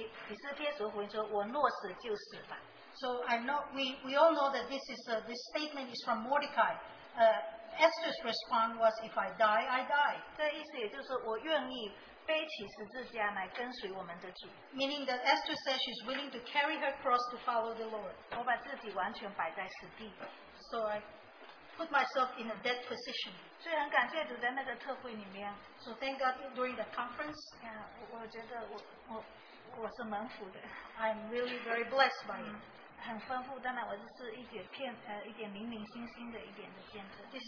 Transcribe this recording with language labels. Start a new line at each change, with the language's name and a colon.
Chinese: 所以我们在这故事是莫迪改亚又对他要求一定要他顺服去见王的事情。所以呢，我就回应，就说，以斯帖所回应说，我若死就死吧。
English: So I know we all know that this statement is from Mordecai. Esther's response was, "If I die, I die."
Chinese: 这意思也就是我愿意背起十字架来跟随我们的主。
English: Meaning that Esther says she's willing to carry her cross to follow the Lord.
Chinese: 我把自己完全摆在死地。
English: So I put myself in a dead position.
Chinese: 虽然感谢主在那个特会里面。
English: So thank God during the conference.
Chinese: Yeah, 我觉得我是蒙福的。
English: I'm really very blessed by it.
Chinese: 很丰富，当然我就是一点片，一点零零星星的一点的见证。This